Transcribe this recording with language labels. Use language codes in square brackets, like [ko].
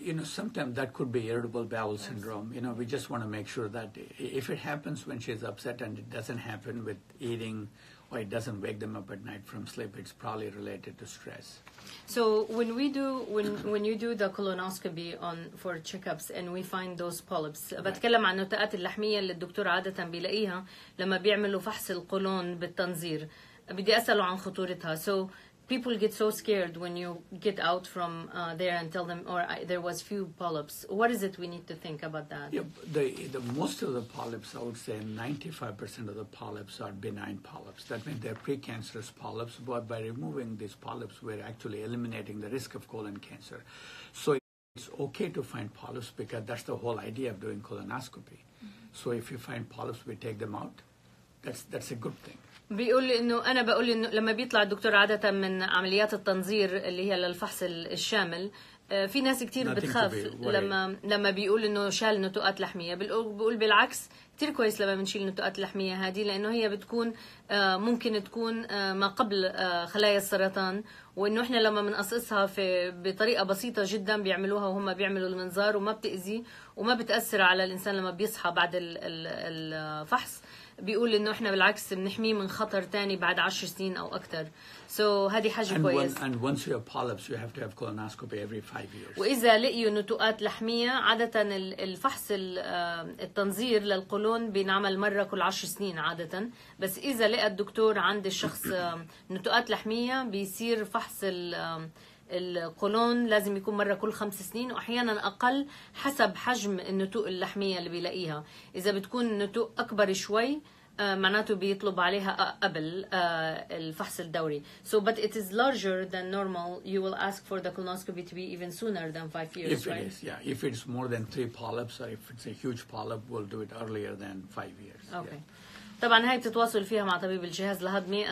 [en] You know, sometimes that could be irritable bowel syndrome. You know, we just want to make sure that if it happens when she's upset and it doesn't happen with eating or it doesn't wake them up at night from sleep, it's probably related to stress. So when we do, when you do the colonoscopy on for checkups and we find those polyps, [ar] بتكلم عن النتاءات اللحمية اللي الدكتور عادة بيلاقيها لما بيعملوا فحص القولون بالتنظير, بدي أسأله عن خطورتها. [en] So people get so scared when you get out from there and tell them, or there was few polyps. What is it we need to think about that? Yeah, the most of the polyps, I would say 95% of the polyps are benign polyps. That means they're precancerous polyps, but by removing these polyps, we're actually eliminating the risk of colon cancer. So it's okay to find polyps because that's the whole idea of doing colonoscopy. Mm-hmm. So if you find polyps, we take them out. That's a good thing. [ar] بيقول إنه أنا بقول إنه لما بيطلع الدكتور عادة من عمليات التنظير اللي هي للفحص الشامل, في ناس كتير بتخاف لما بيقول انه شال نتوءات لحمية. بقول بالعكس كتير كويس لما بنشيل نتوءات لحمية هذه، لانه هي بتكون ممكن تكون ما قبل خلايا السرطان، وانه احنا لما بنقصقصها بطريقة بسيطة جدا بيعملوها وهم بيعملوا المنظار، وما بتأذي وما بتأثر على الانسان لما بيصحى بعد الفحص. بيقول انه احنا بالعكس بنحميه من خطر تاني بعد 10 سنين او اكثر. سو هذه حاجه كويسه. [en] And once you have polyps you have to have colonoscopy every 5 years. [ar] واذا لقيوا نتوءات لحميه عاده الفحص التنظير للقولون بينعمل مره كل 10 سنين عاده، بس اذا لقى الدكتور عند الشخص نتوءات لحميه بيصير فحص القولون لازم يكون مرة كل 5 سنين، وأحيانا أقل حسب حجم النتوء اللحمية اللي بيلاقيها. إذا بتكون النتوء أكبر شوي معناته بيطلب عليها قبل الفحص الدوري. [en] So but it is larger than normal, you will ask for the colonoscopy to be even sooner than 5 years, if right? If it is, yeah. If it's more than 3 polyps or if it's a huge polyp, we'll do it earlier than 5 years. Okay. Yeah. [ar] طبعا هاي بتتواصل فيها مع طبيب الجهاز الهضمي.